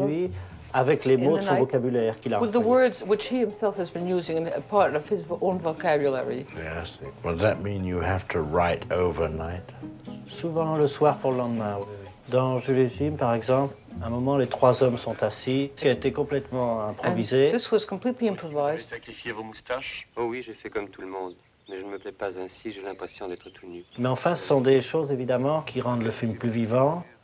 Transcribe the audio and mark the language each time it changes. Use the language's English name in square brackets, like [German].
[French] la nuit avec les mots de son vocabulaire qu'il a [English] with the words which he himself has been using and a part of his own vocabulary. Yes. Well, that mean you have to write overnight? [French] Souvent le soir pour le lendemain. Oui, oui. Dans Jules Jim, par exemple, à un moment, les trois hommes sont assis. Ça a été complètement improvisé. [English] And this was completely improvised. [French] Vous avez sacrifié vos moustaches? Oh oui, j'ai fait comme tout le monde. Mais je ne me plais pas ainsi, j'ai l'impression d'être tout nu. Mais enfin, ce sont des choses, évidemment, qui rendent le film plus vivant.